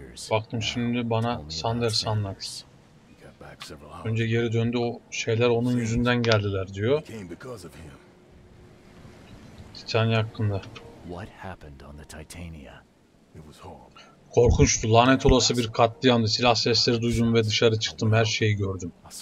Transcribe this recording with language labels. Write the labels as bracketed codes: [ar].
[tr] Baktım şimdi bana Sanders anlattı. Önce geri döndü, o şeyler onun yüzünden geldiler diyor. Titania hakkında. [en] What happened on the Titania? It was horrible. [tr] Korkunçtu, lanet olası bir katliamdı. Silah sesleri duydum ve dışarı çıktım, her şeyi gördüm.